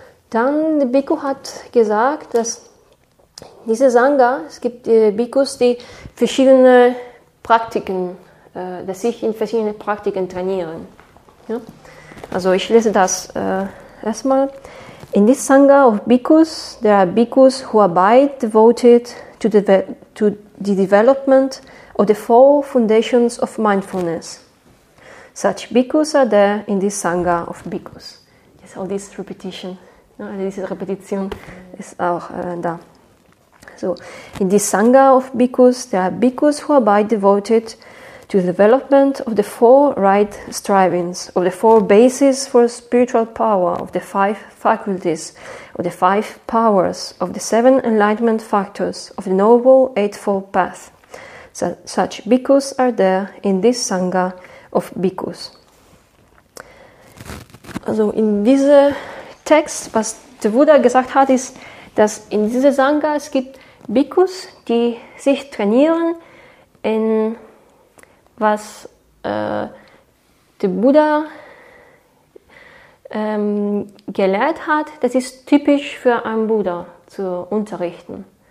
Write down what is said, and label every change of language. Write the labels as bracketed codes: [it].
[de] Dann, der Bhikkhu hat gesagt, dass diese Sangha, es gibt Bhikkhus, die verschiedene Praktiken, dass sich in verschiedenen Praktiken trainieren. Ja? Also ich lese das erstmal. [en] In this Sangha of Bhikkhus, there are Bhikkhus who are by devoted to the development or the four foundations of mindfulness. Such bhikkhus are there in this Sangha of bhikkhus. Yes, all this repetition. [de] No, diese Repetition ist auch da. [en] So, in this Sangha of bhikkhus, there are bhikkhus who are by devoted to the development of the four right strivings, of the four bases for spiritual power, of the five faculties, of the five powers, of the seven enlightenment factors, of the Noble Eightfold Path. Such bhikkhus are there in this Sangha of bhikkhus. [de] Also in diesem Text, was der Buddha gesagt hat, ist, dass in dieser Sangha es gibt Bhikkhus, die sich trainieren in was der Buddha gelehrt hat, das ist typisch für einen Buddha zu unterrichten.